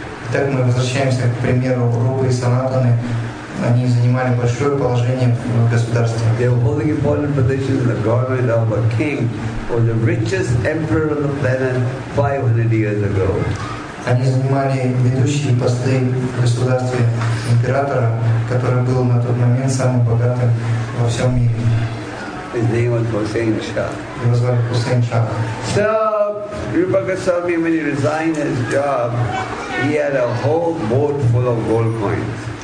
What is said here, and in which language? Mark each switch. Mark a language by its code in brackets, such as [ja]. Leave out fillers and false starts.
[ru] Итак, мы возвращаемся к примеру Рупы и Санатаны. Они занимали большое положение в государстве. [en] They were holding important positions in the government of a king who was the richest emperor on the planet 500 years ago. [ru] Они занимали ведущие посты в государстве императора, который был на тот момент самым богатым во всем мире. [en] His name was Hussein Shah. [ru] Его звали Хусейн Шах. [en] So, Rupa Goswami, when he resigned his job, he had a whole boat full of gold coins.